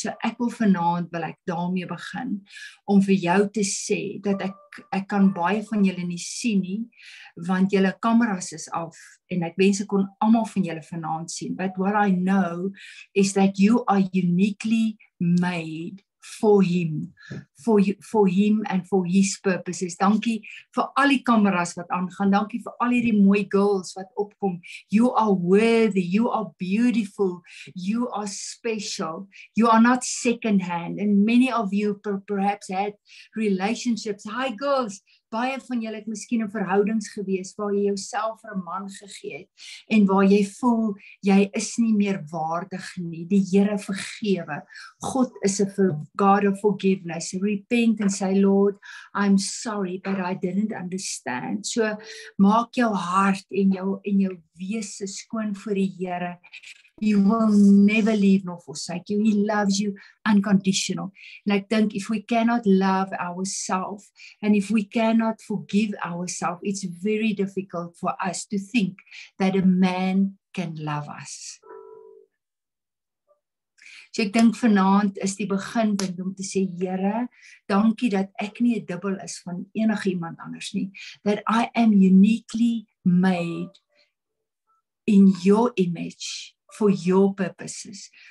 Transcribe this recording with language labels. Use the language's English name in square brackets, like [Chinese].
[Afrikaans] So ek wil vanavond, wil ek daarmee begin, om vir jou te sê, dat ek kan baie van julle nie sien nie, want julle kameras is af, en ek wens ek kon allemaal van julle vanavond sien, [English] but what I know, is that you are uniquely made for him, for him and for his purposes. [Afrikaans] Dankie vir al die kameras wat aangaan. Dankie vir al hierdie mooi girls wat opkom. [English] You are worthy, you are beautiful, you are special. You are not second hand and many of you perhaps had relationships. [Afrikaans] Hi girls, baie van julle het miskien in verhoudings gewees waar jy jouself vir 'n man gegee het en waar jy voel jy is nie meer waardig nie. Die Here vergewe. God is 'n God [English] of forgiveness. Repent and say, Lord, I'm sorry, but I didn't understand. [Afrikaans] So, maak jou hart en jou wese skoon voor die Here. [English] You will never leave nor forsake you. He loves you unconditional. And I think if we cannot love ourselves and if we cannot forgive ourselves, it's very difficult for us to think that a man can love us. [Afrikaans] So ek dink vanaand is die beginpunt om te sê, Here, dankie dat ek nie 'n dubbel is van enigiemand anders nie. [English] That I am uniquely made in your image for your purposes.